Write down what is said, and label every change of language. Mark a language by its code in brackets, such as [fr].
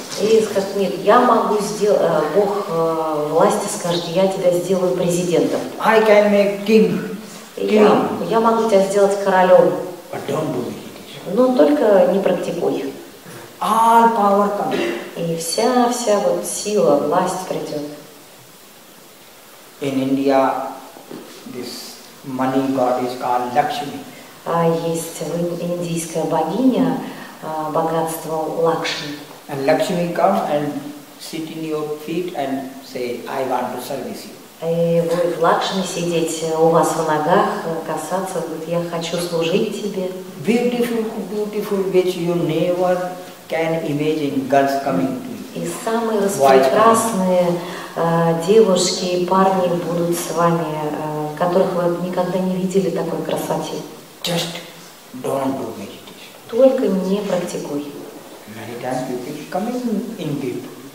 [ru] И скажет, нет, я могу сделать. Бог власти скажет, я тебя сделаю президентом. [en] I can make king. [ru] Я могу тебя сделать королем. [en] But don't do it. [ru] Но только не практикуй. [en] All power comes. [ru] И вся вот сила, власть придет. [en] In India, this money god is called Lakshmi. [ru] А есть индийская богиня богатства Лакшми. [en] And Lakshmi comes and sit in your feet and say, I want to service you. [ru] И будет Лакшми сидеть у вас в ногах, касаться, говорит, я хочу служить тебе. [en] Beautiful, beautiful, which you never can imagine girls coming to you. [ru] И самые прекрасные девушки и парни будут с вами, которых вы никогда не видели такой красоте. [en] Just don't do meditation. [ru] Только не практикуй. [en] Many times people coming in people.